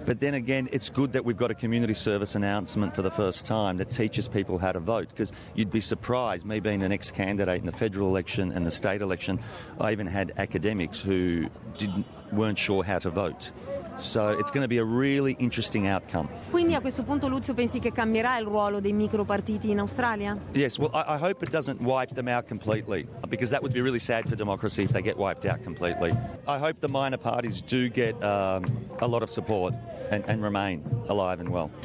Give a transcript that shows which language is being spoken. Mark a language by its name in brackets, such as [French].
[English] But then again, it's good that we've got a community service announcement for the first time that teaches people how to vote, because you'd be surprised, me being an ex-candidate in the federal election and the state election, I even had academics who weren't sure how to vote. So it's going to be a really interesting outcome. [Italian] Quindi a questo punto, Lucio, pensi che cambierà il ruolo dei micropartiti in Australia? [English] Yes, well, I hope it doesn't wipe them out completely, because that would be really sad for democracy if they get wiped out completely. I hope the minor parties do get a lot of support and remain alive and well.